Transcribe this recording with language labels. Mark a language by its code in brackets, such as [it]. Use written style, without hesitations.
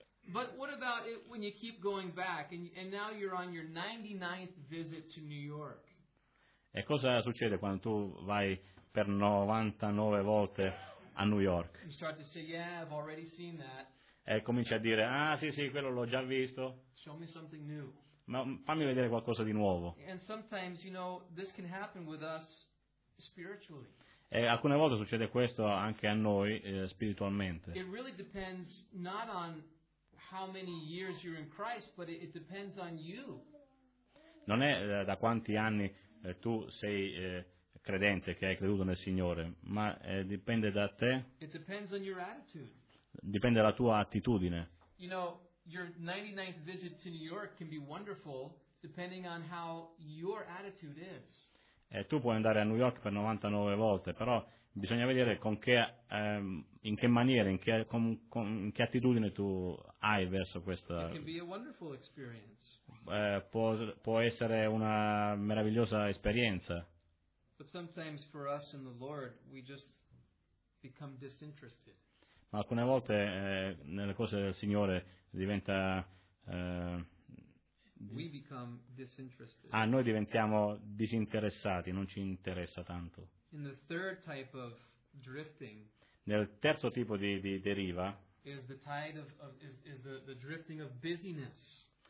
[en] But what about it when you keep going back and now you're on your 99th visit to New York? [it] E cosa succede quando tu vai per 99 volte a New York? [en] You start to say, yeah, I've already seen that. [it] E cominci a dire, ah sì, quello l'ho già visto. [en] Show me something new. [it] Ma fammi vedere qualcosa di nuovo. [en] And sometimes, you know, this can happen with us spiritually. [it] E alcune volte succede questo anche a noi spiritualmente. [en] It really depends not on how many years you're in Christ, but it depends on you. [it] Non è da quanti anni tu sei credente, che hai creduto nel Signore, ma dipende da te. [en] It depends on your attitude. [it] Dipende dalla tua attitudine. [en] You know, your 99th visit to New York can be wonderful depending on how your attitude is. [it] Tu puoi andare a New York per 99 volte, però bisogna vedere con che in che maniera, in che attitudine tu hai verso questa. [en] It can be a wonderful experience. [it] Può essere una meravigliosa esperienza. [en] But sometimes for us in the Lord we just become disinterested. [it] Ma alcune volte nelle cose del Signore diventa [en] we become disinterested. [it] Ah, noi diventiamo disinteressati, non ci interessa tanto. [en] In the third type of drifting, [it] nel terzo tipo di deriva [en] is the tide of is the drifting of busyness.